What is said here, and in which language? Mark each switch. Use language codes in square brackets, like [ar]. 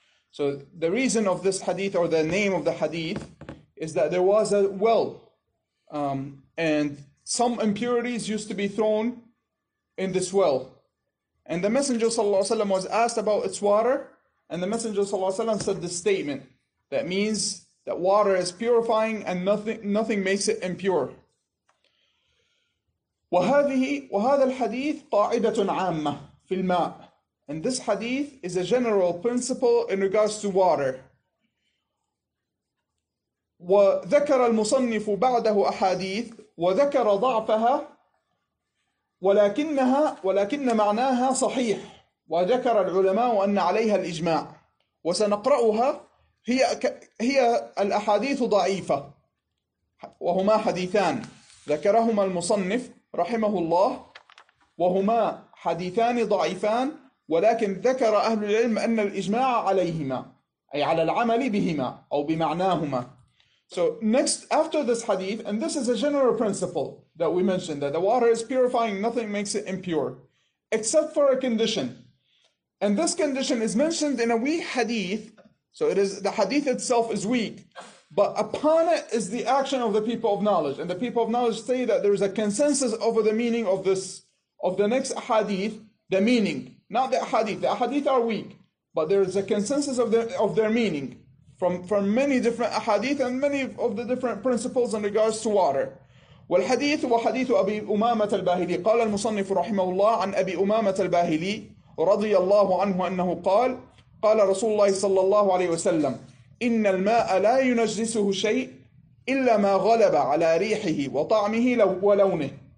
[en] So the reason of this hadith or the name of the hadith is that there was a well, and some impurities used to be thrown in this well. And the Messenger ﷺ was asked about its water, and the Messenger ﷺ said this statement. That means that water is purifying and nothing makes it impure. [ar] وهذا الحديث قاعدة عامة في الماء. [en] And this hadith is a general principle in regards to water. [ar] وذكر المصنف بعده أحاديث وذكر ضعفها ولكن معناها صحيح، وذكر العلماء أن عليها الإجماع، وسنقرأها. هي الأحاديث ضعيفة، وهما حديثان ذكرهما المصنف رحمه الله، وهما حديثان ضعيفان، ولكن ذكر أهل العلم أن الإجماع عليهما، أي على العمل بهما أو بمعناهما. [en] So next, after this hadith, and this is a general principle that we mentioned, that the water is purifying, nothing makes it impure, except for a condition. And this condition is mentioned in a weak hadith, so it is the hadith itself is weak, but upon it is the action of the people of knowledge. And the people of knowledge say that there is a consensus over the meaning of this, of the next hadith, the meaning, not the hadith. The hadith are weak, but there is a consensus of their meaning from many different hadith and many of the different principles in regards to water. [ar] والحديث وحديث أبي أمامة الباهلي. قال المصنف رحمه الله عن أبي أمامة الباهلي رضي الله عنه أنه قال قال رسول الله صلى الله عليه وسلم إن الماء لا ينجسه شيء إلا ما غلب على ريحه وطعمه ولونه.